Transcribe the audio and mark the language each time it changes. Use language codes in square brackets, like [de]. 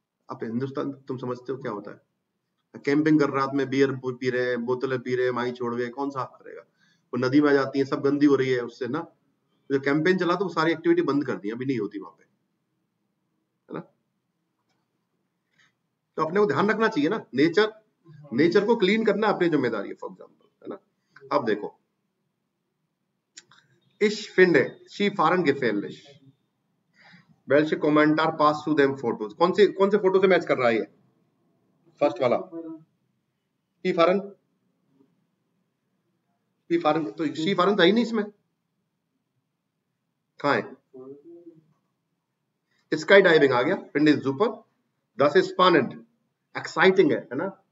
[hi] अब हिंदुस्तान तुम समझते हो क्या होता है, कैंपिंग कर रात में बियर पी रहे, बोतलें पी रहे, माई छोड़ गए, कौन साफ करेगा, वो नदी में आ जाती है, सब गंदी हो रही है उससे ना। जो कैंपेन चला तो वो सारी एक्टिविटी बंद कर दी, अभी नहीं होती वहां पे, है ना। तो अपने को ध्यान रखना चाहिए ना, नेचर नेचर को क्लीन करना अपनी जिम्मेदारी है, फॉर एग्जाम्पल, है ना। अब देखो, [de] Ich finde sie fahren gefährlich. Welche Kommentar passt zu dem Foto? [hi] कौन से फोटो से मैच कर रहा है ये? फर्स्ट वाला। [de] Sie fahren? Sie fahren? [hi] तो [de] sie fahren [hi] था ही नहीं इसमें? कहाँ है? [de] Sky diving [hi] आ गया। [de] Finde ist super. Das ist spannend. [hi] Exciting है ना?